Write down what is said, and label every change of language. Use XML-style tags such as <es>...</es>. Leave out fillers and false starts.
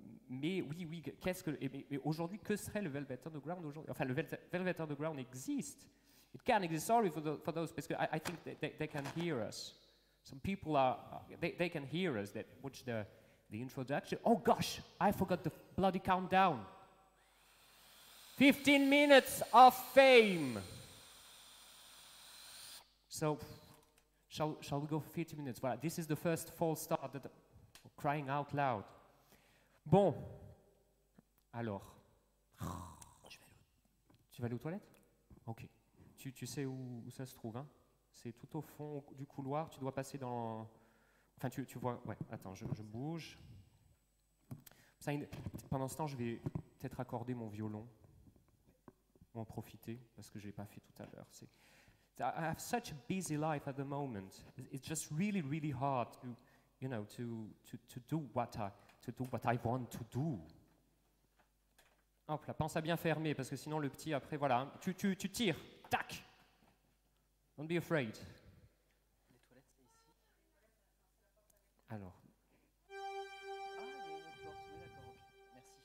<fr>Mais qu'est-ce que mais aujourd'hui que serait le Velvet Underground aujourd'hui? Enfin, le Velvet Underground existe.</fr> <en>It can exist. Sorry for those,</en> <fr>parce que</fr> <en>I think they can hear us. Some people they can hear us. That watch the introduction. Oh gosh, I forgot the bloody countdown. 15 minutes of fame. So. Shall we go for 50 minutes?</en> <fr>Voilà,</fr> <en>this is the first false start that crying out loud.</en> <fr>Bon, alors. Tu vas aller aux toilettes? Ok. Tu sais où ça se trouve, hein? C'est tout au fond du couloir, tu dois passer dans. Enfin, tu vois. Ouais, attends, je bouge. Pendant ce temps, je vais peut-être accorder mon violon. Ou en profiter, parce que je ne l'ai pas fait tout à l'heure. C'est.</fr> <en>I have such a busy life at the moment. It's just really, really hard to, you know, to do what I want to do.</en> <fr>Hop, la pince à bien fermer, parce que sinon le petit après, voilà, tu tires, tac.</fr> <en>Don't be afraid.</en> <fr>Les toilettes, c'est ici. Alors. Ah, il y a une autre porte, d'accord, okay.</fr>